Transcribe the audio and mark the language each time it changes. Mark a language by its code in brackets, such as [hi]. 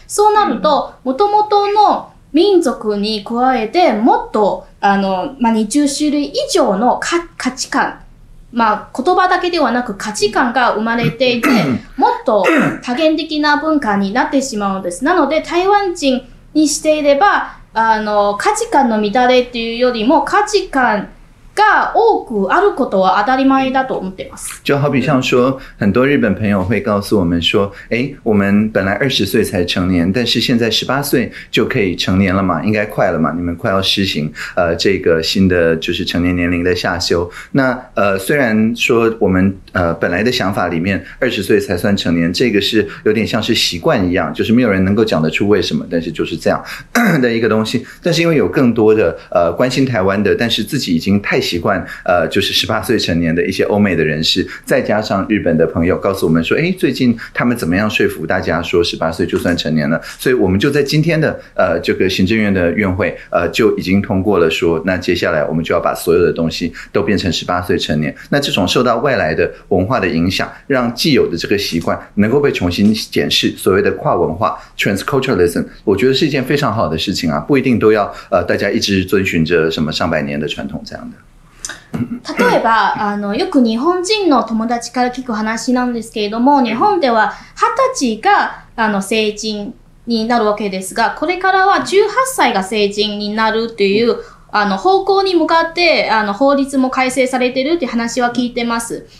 [ja] そうなると元々の民族に加えてもっと二重種類以上の価値観、まあ言葉だけではなく価値観が生まれていて、もっと多元的な文化になってしまうんです。なので台湾人にしていれば、価値観の乱れっていうよりも価値観が多くあることは当たり前だと思ってます。 [zh] 就好比像说，很多日本朋友会告诉我们说，我们本来20岁才成年，但是现在18岁就可以成年了嘛，应该快了嘛，你们快要实行这个新的就是成年年龄的下修。那虽然说我们本来的想法里面20岁才算成年，这个是有点像是习惯一样，就是没有人能够讲得出为什么，但是就是这样的一个东西。但是因为有更多的关心台湾的，但是自己已经太习惯就是18岁成年的一些欧美的人士，再加上日本的朋友告诉我们说，最近他们怎么样说服大家说18岁就算成年了，所以我们就在今天的这个行政院的院会就已经通过了，说那接下来我们就要把所有的东西都变成18岁成年。那这种受到外来的文化的影响，让既有的这个习惯能够被重新检视，所谓的跨文化 transculturalism， 我觉得是一件非常好的事情啊，不一定都要大家一直遵循着什么上百年的传统这样的。 [ja] 例えばよく日本人の友達から聞く話なんですけれども、日本では20歳が成人になるわけですが、これからは18歳が成人になるという方向に向かって法律も改正されてるって話は聞いてます。